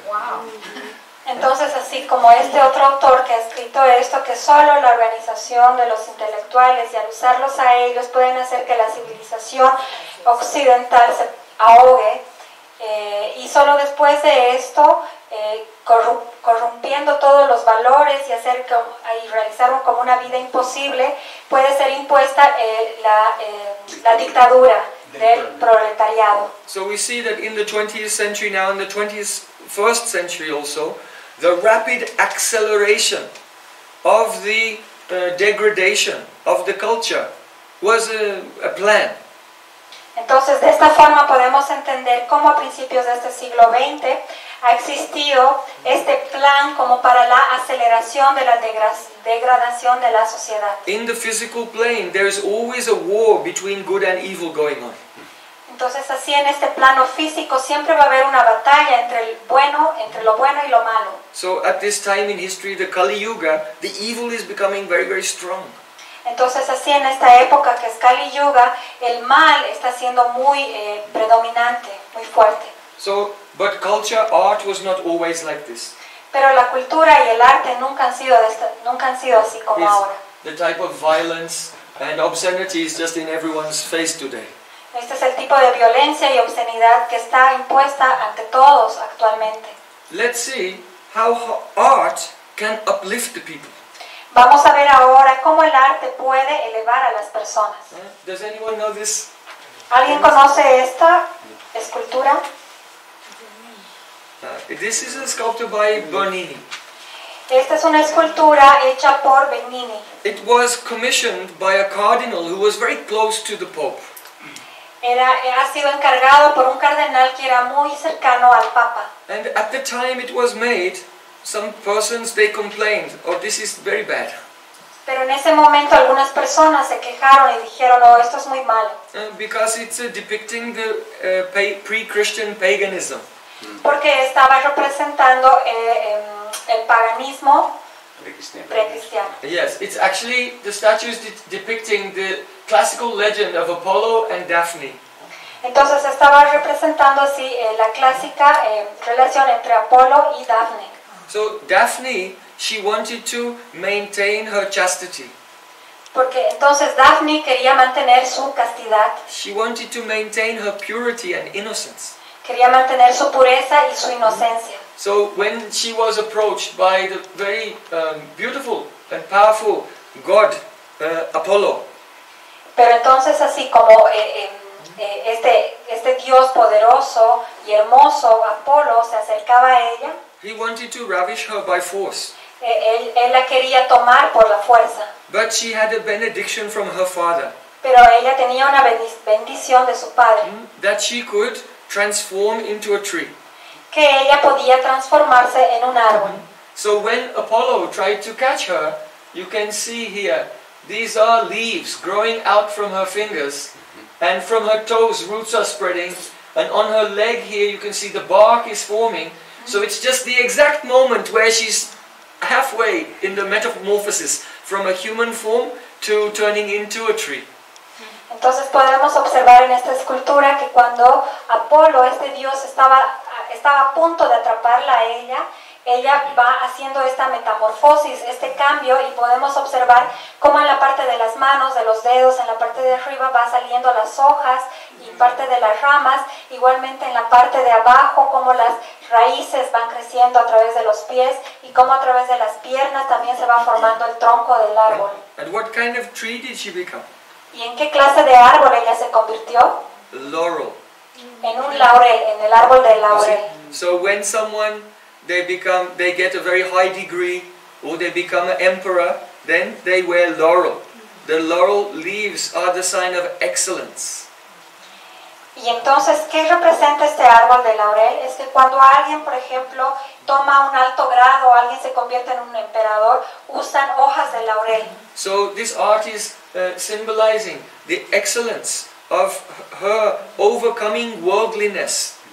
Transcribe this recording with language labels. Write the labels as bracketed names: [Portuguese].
[Spanish] Wow. Entonces, así como este otro autor que ha escrito esto, que solo la organización de los intelectuales y al usarlos a ellos pueden hacer que la civilización occidental se ahogue, y solo después de esto, corrompiendo todos los valores y realizar como una vida imposible, puede ser impuesta la dictadura del proletariado. [English] So we see that in the 20th century now, in the 21st century also, the rapid acceleration of the degradation of the culture was a plan. [Spanish] Entonces, de esta forma podemos entender cómo a principios de este siglo XX ha existido este plan como para la aceleración de la degradación de la sociedad. [English] In the physical plane, there is always a war between good and evil going on. [Spanish] Entonces, así en este plano físico siempre va a haber una batalla entre lo bueno y lo malo. [English] So at this time in history, the Kali Yuga, the evil is becoming very, very strong. [Spanish] Entonces, así en esta época que es Kali Yuga, el mal está siendo muy predominante, muy fuerte. [English] So, but culture, art was not always like this. [Spanish] Pero la cultura y el arte nunca han sido así como [English] it's [Spanish] ahora. [English] The type of violence and obscenity is just in everyone's face today. [Spanish] Este es el tipo de violencia y obscenidad que está impuesta ante todos actualmente. [English] Let's see how art can uplift the people. [Spanish] Vamos a ver ahora cómo el arte puede elevar a las personas. [English] Does anyone know this? [Spanish] ¿Alguien conoce esta escultura? [English] This is a sculpture by Bernini. [Spanish] Esta es una escultura hecha por Bernini. [English] It was commissioned by a cardinal who was very close to the Pope. [Spanish] Ha sido encargado por un cardenal que era muy cercano al Papa. [English] And at the time it was made, some persons they complained, oh, this is very bad. [Spanish] Pero en ese momento algunas personas se quejaron y dijeron, oh, esto es muy malo. [English] Because it's depicting the pre-Christian paganism. [Spanish] Porque estaba representando el paganismo pre-cristiano. [English] Yes, it's actually the statue is depicting the classical legend of Apollo and Daphne. [Spanish] Entonces estaba representando así la clásica relación entre Apolo y Daphne. [English] So Daphne, she wanted to maintain her chastity. [Spanish] Porque entonces Daphne quería mantener su castidad. [English] She wanted to maintain her purity and innocence. [Spanish] Quería mantener su pureza y su inocencia. [English] So when she was approached by the very beautiful and powerful god Apollo. [Spanish] Pero entonces así como este dios poderoso y hermoso Apolo se acercaba a ella. [English] He wanted to ravish her by force. [Spanish] Él la quería tomar por la fuerza. [English] But she had a benediction from her father. [Spanish] Pero ella tenía una bendición de su padre. [English] That she could transform into a tree. [Spanish] que ella podía transformarse en un árbol. [English] So when Apollo tried to catch her, you can see here, these are leaves growing out from her fingers, and from her toes roots are spreading, and on her leg here you can see the bark is forming. So it's just the exact moment where she's halfway in the metamorphosis from a human form to turning into a tree. [Spanish] Entonces podemos observar en esta escultura que cuando Apolo, este dios, estaba a punto de atraparla a ella, ella va haciendo esta metamorfosis, este cambio, y podemos observar cómo en la parte de las manos, de los dedos, en la parte de arriba va saliendo las hojas y parte de las ramas, igualmente en la parte de abajo cómo las raíces van creciendo a través de los pies y cómo a través de las piernas también se va formando el tronco del árbol. [English] And what kind of tree did she become? [Spanish] ¿Y en qué clase de árbol ella se convirtió? [English] Laurel. [Spanish] En un laurel, en el árbol del laurel. [English] So when someone they get a very high degree or they become an emperor, then they wear laurel. The laurel leaves are the sign of excellence. [Spanish] Y entonces, ¿qué representa este árbol de laurel? Es que cuando alguien, por ejemplo, toma un alto grado, alguien se convierte en un emperador, usan hojas de laurel. [English] So this art is symbolizing the excellence of her overcoming worldliness.